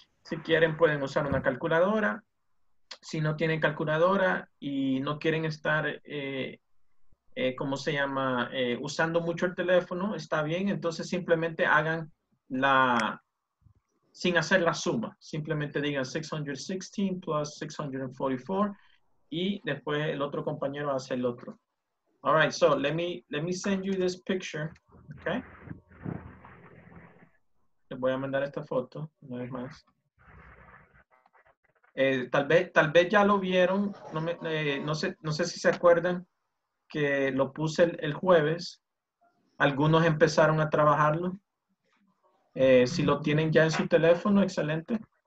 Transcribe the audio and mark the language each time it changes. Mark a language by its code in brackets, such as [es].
[es] Si quieren pueden usar una calculadora. Si no tienen calculadora y no quieren estar, ¿cómo se llama? Usando mucho el teléfono, está bien. Entonces simplemente hagan sin hacer la suma. Simplemente digan 616 plus 644. Y después el otro compañero hace el otro. [en] All right, so let me send you this picture, okay? [es] Le voy a mandar esta foto, una vez más. Tal vez ya lo vieron, no sé si se acuerdan que lo puse el jueves. Algunos empezaron a trabajarlo. Si lo tienen ya en su teléfono, excelente.